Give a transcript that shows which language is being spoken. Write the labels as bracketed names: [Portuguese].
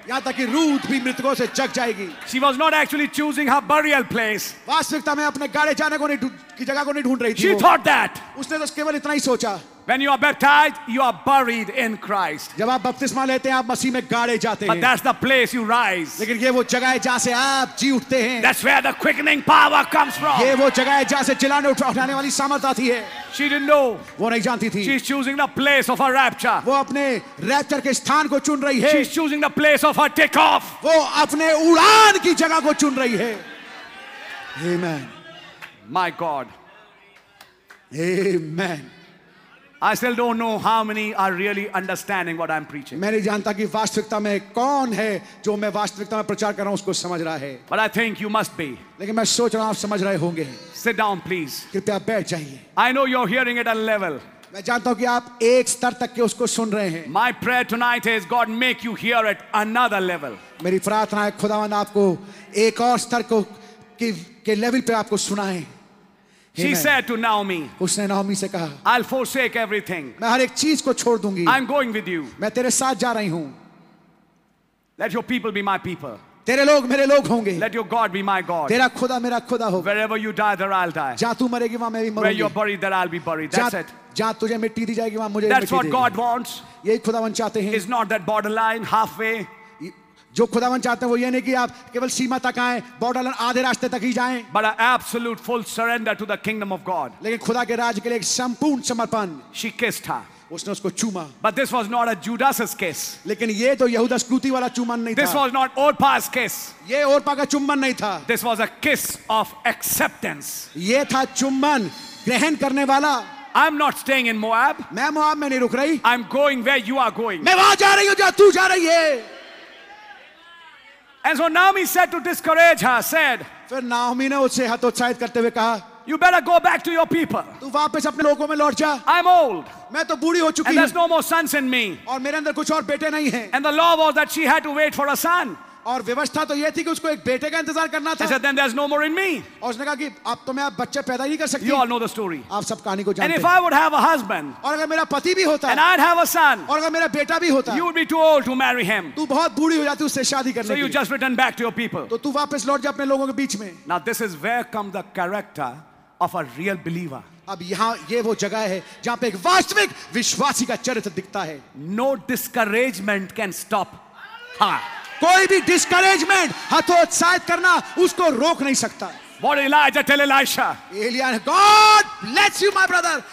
[Hindi] यहाँ तक कि रूथ भी मृतकों से जग जाएगी. [English] She was not actually choosing her burial place. [Hindi] वास्तविकता में अपने गाड़े जाने को नहीं की जगह को नहीं ढूंढ रही थी. [English] She thought that. [Hindi] उसने तो केवल इतना ही सोचा. [English] When you are baptized, you are buried in Christ. [Hindi] जब आप बपतिस्मा लेते हैं आप मसीह में गाड़े जाते हैं. [English] But that's the place you rise. [Hindi] लेकिन ये वो जगह है जहाँ से आप जी उठते हैं. [English] That's where the quickening power comes from. [Hindi] ये वो जगह है जहाँ से चिल्लाने उठाने वाली सामर्थ्य आती है. [English] She didn't know. [Hindi] वो नहीं जानती थी. [English] She's choosing the place of her rapture. [Hindi] वो अपने रैप्चर के स्थान को चुन रही है. [English] She's choosing the place of her takeoff. [Hindi] वो अपने उड़ान की जगह को चुन रही है. [English] Amen. My God. Amen. I still don't know how many are really understanding what I'm preaching. [Hindi] मैं नहीं जानता कि वास्तविकता में कौन है जो मैं वास्तविकता में प्रचार कर रहा हूँ उसको समझ रहा है. [English] But I think you must be. [Hindi] लेकिन मैं सोच रहा हूँ आप समझ रहे होंगे. [English] Sit down, please. [Hindi] कृपया बैठ जाइए. [English] I know you're hearing at a level. [Hindi] मैं जानता हूँ कि आप एक स्तर तक के उसको सुन रहे हैं. [English] My prayer tonight is God make you hear at another level. [Hindi] मेरी प्रार्थना है खुदावंद आपको एक और स्तर को के लेवल पे आपको सुनाए. [English] She Amen. Said to Naomi, [Hindi] उसने नाओमी से कहा, [English] I'll forsake everything. [Hindi] मैं हर एक चीज को छोड़ दूंगी. [English] I'm going with you. [Hindi] मैं तेरे साथ जा रही हूं. [English] Let your people be my people. [Hindi] तेरे लोग मेरे लोग होंगे. [English] Let your God be my God. [Hindi] तेरा खुदा मेरा खुदा होगा. [English] Wherever you die, there I'll die. [Hindi] जहां तू मरेगी वहां मैं भी मरूंगी. [English] Where you're buried, there I'll be buried. That's it. [Hindi] जहां तुझे मिट्टी दी जाएगी वहां मुझे [English] That's what God wants. [Hindi] यही खुदावंद चाहते हैं. [English] It's not that borderline, halfway. [Hindi] जो खुदावन चाहते हैं वो ये नहीं कि आप केवल सीमा तक आए बॉर्डर लाइन आधे रास्ते तक ही जाएं [English] but an absolute full surrender to the kingdom of god [Hindi] लेकिन खुदा के राज के लिए एक संपूर्ण समर्पण [English] she kissed her [Hindi] उसने उसको चूमा [English] but this was not a judas's kiss [Hindi] लेकिन ये तो यहूदा स्क्रूति वाला चूमन नहीं था [English] this was not orpa's kiss [Hindi] ये orpa का चूमन नहीं था [English] this was a kiss of acceptance [Hindi] ये था चूमन ग्रहण करने वाला [English] I'm not staying in Moab. [Hindi] मैं मोआब में नहीं रुक रही. [English] I'm going where you are going. [Hindi] मैं वहां जा रही हूं जहां तू जा रही है. [English] And so Naomi said to discourage her, said, [Hindi] फिर नाओमी ने उसे हतोत्साहित करते हुए कहा, [English] You better go back to your people. [Hindi] तू वापस अपने लोगों में लौट जा. [English] I'm old. [Hindi] मैं तो बूढ़ी हो चुकी हूं. [English] And there's no more sons in me. [Hindi] और मेरे अंदर कुछ और बेटे नहीं हैं. [English] And the law was that she had to wait for a son. [Hindi] और व्यवस्था तो ये थी कि उसको एक बेटे का इंतजार करना था [English] He said, Then there's no more in me. [Hindi] और उसने कहा कि अब तो मैं आप बच्चे पैदा ही नहीं कर सकती [English] You all know the story. [Hindi] आप सब कहानी को जानते [English] And if I would have a husband, [Hindi] और अगर मेरा पति भी होता [English] And I'd have a son, [Hindi] और अगर मेरा बेटा भी होता [English] You would be too old to marry him. [Hindi] तू बहुत बूढ़ी हो जाती उससे शादी करने [English] So you just return back to your people. [Hindi] तो तू वापस लौट जा अपने लोगों के बीच में [English] Now this is where comes the character of a real believer. [Hindi] अब यहां ये वो जगह है जहां पे एक वास्तविक विश्वासी का चरित्र दिखता है [English] no discouragement can stop [Hindi] कोई भी डिस्करेजमेंट हतोत्साहित करना उसको रोक नहीं सकता [English] What did Elijah tell Elisha? Elijah, God bless you, my brother.